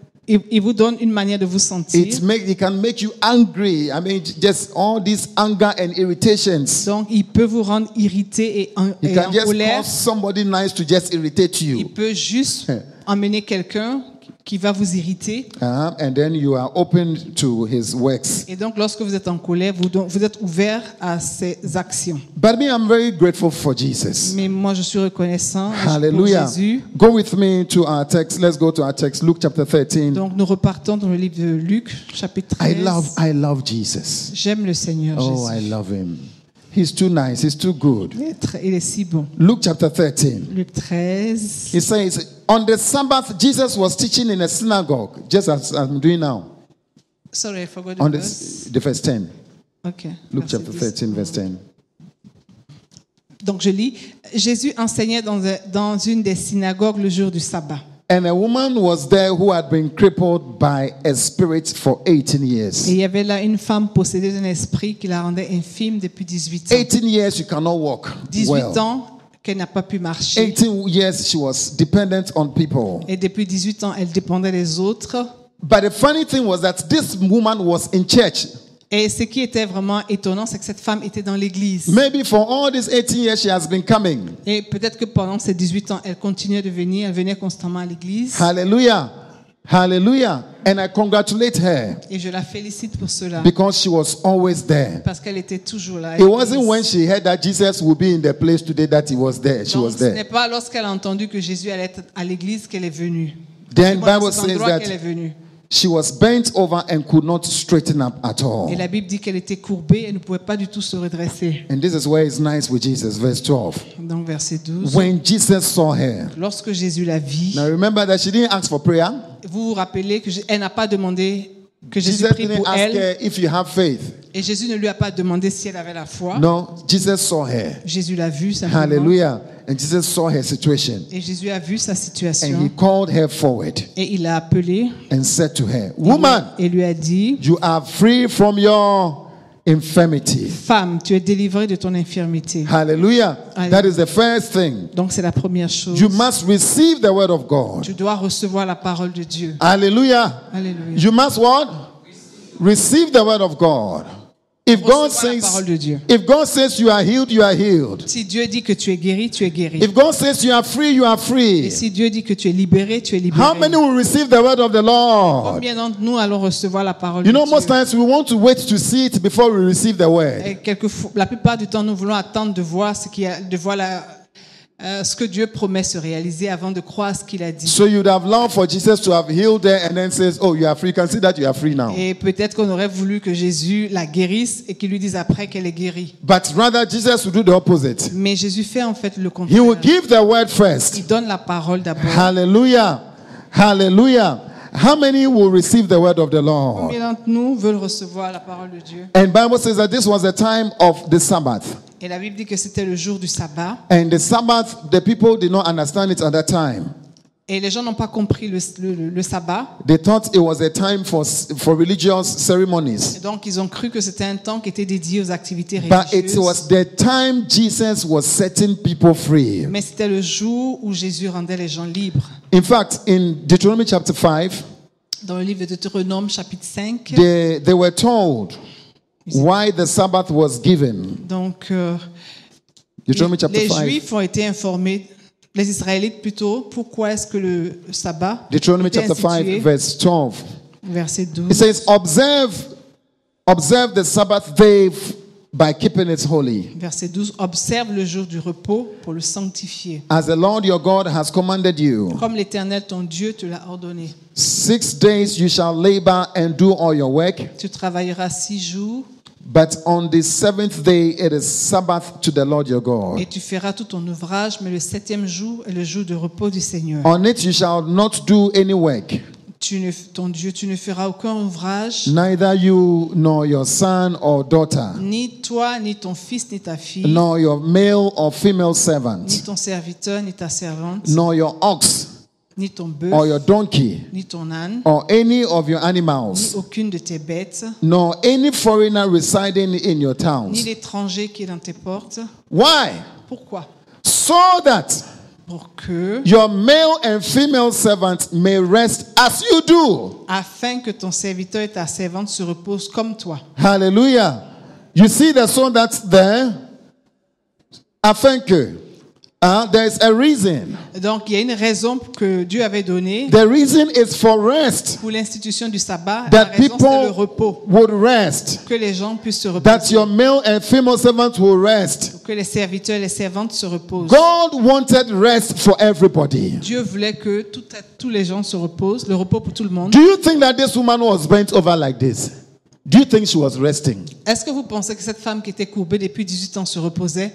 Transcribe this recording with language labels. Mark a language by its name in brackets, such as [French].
[French] Il vous donne une manière de vous sentir. [English] He can make you angry. I mean, just all this anger and irritations. [French] Donc, il peut vous rendre irrité et en colère. [English] He can just [French] colère. [English] Cause somebody nice to just irritate you. [French] Il peut juste emmener quelqu'un qui va vous irriter. [English] And then you are open to his works. [French] Et donc, lorsque vous êtes en colère, vous êtes ouvert à ses actions. [English] But me, I'm very grateful for Jesus. [French] Mais moi, je suis reconnaissant. [English] Hallelujah. [French] Pour Jésus. [English] Go with me to our text. Let's go to our text. Luke chapter 13. [French] Donc, nous repartons dans le livre de Luc, chapitre 13. [English] I love Jesus. [French] J'aime le Seigneur oh, Jésus. [English] Oh, I love him. He's too nice. He's too good. [French] Il est si bon. [English] Luke chapter 13. Luke 13. He says, on the Sabbath, Jesus was teaching in a synagogue, just as I'm doing now. Sorry, I forgot the on verse. On the verse 10. Okay. Luke chapter 13, verse 10. [French] Donc je lis, Jésus enseignait dans une des synagogues le jour du sabbat. [English] And a woman was there who had been crippled by a spirit for 18 years. [French] Et il y avait là une femme possédée d'un esprit qui la rendait infirme depuis 18 ans. [English] 18 years, you cannot walk 18 well. [French] Ans, qu'elle n'a pas pu marcher. [English] 18 years she was dependent on people. [French] Et depuis 18 ans, elle dépendait des autres. [English] But the funny thing was that this woman was in church. [French] Et ce qui était vraiment étonnant, c'est que cette femme était dans l'église. [English] Maybe for all these 18 years she has been coming. [French] Et peut-être que pendant ces 18 ans, elle continuait de venir, elle venait constamment à l'église. [English] Hallelujah. Hallelujah. And I congratulate her. [French] Et je la félicite pour cela. [English] Because she was always there. [French] Parce qu'elle était toujours là. [English] It wasn't when she heard that Jesus would be in the place today that he was there. She [French] Donc, [English] was there. [French] Ce n'est pas lorsqu'elle a entendu que Jésus allait être à l'église qu'elle est venue. [English] Then Bible says that she was bent over and could not straighten up at all. [French] Et la Bible dit qu'elle était courbée et ne pouvait pas du tout se redresser. [English] And this is where it's nice with Jesus, verse 12. [French] Donc verset 12. [English] When Jesus saw her. [French] Lorsque Jésus la vit. [English] Now remember that she didn't ask for prayer. [French] Vous vous rappelez qu'elle n'a pas demandé que Jésus prie pour elle. [English] Jesus didn't ask if you have faith. [French] Et Jésus ne lui a pas demandé si elle avait la foi. [English] No, Jesus saw her. Jésus l'a vue simplement. Hallelujah. And Jesus saw her situation. [French] Et Jésus a vu sa situation. [English] And he called her forward. [French] Et il l'a appelée. [English] And said to her, Woman, [French] et lui a dit, [English] you are free from your infirmity. [French] Femme, tu es délivrée de ton infirmité. [English] Hallelujah. That is the first thing. [French] Donc c'est la première chose. [English] You must receive the word of God. [French] Tu dois recevoir la parole de Dieu. [English] Hallelujah. Hallelujah. You must what? Receive the word of God. If God says, if God says you are healed, you are healed. [French] Si Dieu dit que tu es guéri, tu es guéri. [English] If God says you are free, you are free. [French] Et si Dieu dit que tu es libéré, tu es libéré. [English] How many will receive the word of the Lord? [French] Combien d'entre nous allons recevoir la parole [English] you [French] de [English] know, [French] Dieu? [English] You know, most times we want to wait to see it before we receive the word. [French] Et quelquefois, la plupart du temps, nous voulons attendre de voir ce qui a, de voir la ce que Dieu promet se réaliser avant de croire ce qu'il a dit. [English] So you'd have longed for Jesus to have healed her and then says, "Oh, you are free. Can see that you are free now." [French] Et peut-être qu'on aurait voulu que Jésus la guérisse et qu'il lui dise après qu'elle est guérie. [English] But rather Jesus would do the opposite. [French] Mais Jésus fait en fait le contraire. [English] He will give the word first. [French] Il donne la parole d'abord. [English] Hallelujah. Hallelujah. How many will receive the word of the Lord? [French] Combien d'entre nous veulent recevoir la parole de Dieu? [English] And Bible says that this was the time of the Sabbath. [French] Et la Bible dit que c'était le jour du sabbat. [English] And the Sabbath, the people did not understand it at that time. [French] Et les gens n'ont pas compris le sabbat. [English] They thought it was a time for religious ceremonies. [French] Et donc ils ont cru que c'était un temps qui était dédié aux activités religieuses. [English] But it was the time Jesus was setting people free. [French] Mais c'était le jour où Jésus rendait les gens libres. [English] In fact, in Deuteronomy chapter 5, [French] dans le livre de Deutéronome chapitre 5, [English] they were told why the Sabbath was given. [French] Donc, [English] Deuteronomy chapter 5. [French] Les Juifs ont été informés, les Israélites plutôt, pourquoi est-ce que le sabbat était institué. [English] Deuteronomy chapter 5, verse 12. [French] Verset 12. [English] It says, observe the Sabbath day by keeping it holy. [French] Verset 12, observe le jour du repos pour le sanctifier. [English] As the Lord your God has commanded you. [French] Comme l'Éternel ton Dieu te l'a ordonné. [English] 6 days you shall labor and do all your work. [French] Tu travailleras 6 jours. [English] But on the 7th day it is Sabbath to the Lord your God. [French] Et tu feras tout ton ouvrage, mais le 7th jour est le jour de repos du Seigneur. [English] On it you shall not do any work. [French] Tu ne feras aucun ouvrage. [English] Neither you nor your son or daughter. [French] Ni toi ni ton fils ni ta fille. [English] Nor your male or female servant. [French] Ni ton serviteur ni ta servante. [English] Nor your ox. [French] Ni ton bœuf, [English] or your donkey, [French] ni ton âne, [English] or any of your animals, [French] ni aucune de tes bêtes, [English] nor any foreigner residing in your towns, [French] ni l'étranger qui est dans tes portes. [English] Why? [French] Pourquoi? [English] So that [French] pour que [English] your male and female servant may rest as you do. [French] Afin que ton serviteur et ta servante se reposent comme toi. [English] Hallelujah. You see the so that there? [French] Afin que. [English] There is a reason. [French] Donc il y a une raison que Dieu avait donnée. [English] The reason is for rest. [French] Pour l'institution du sabbat, [English] that [French] la raison [English] people [French] c'est le repos. [English] Would rest. [French] Que les gens puissent se reposer. [English] That your male and female servants will rest. [French] Que les serviteurs et les servantes se reposent. [English] God wanted rest for everybody. [French] Dieu voulait que tous les gens se reposent, le repos pour tout le monde. [English] Do you think that this woman was bent over like this? Do you think she was resting? [French] Est-ce que vous pensez que cette femme qui était courbée depuis 18 ans se reposait?